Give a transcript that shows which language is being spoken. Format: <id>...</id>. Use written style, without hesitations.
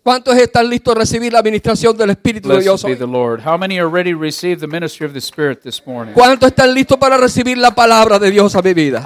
<es>¿Cuántos están listos a recibir la administración del Espíritu</es> <en>Blessed</en> <es>de Dios hoy?</es> <en>Be the Lord. How many are ready to receive the ministry of the Spirit this morning?</en> <es>¿Cuántos están listos para recibir la palabra de Dios a mi vida?</es>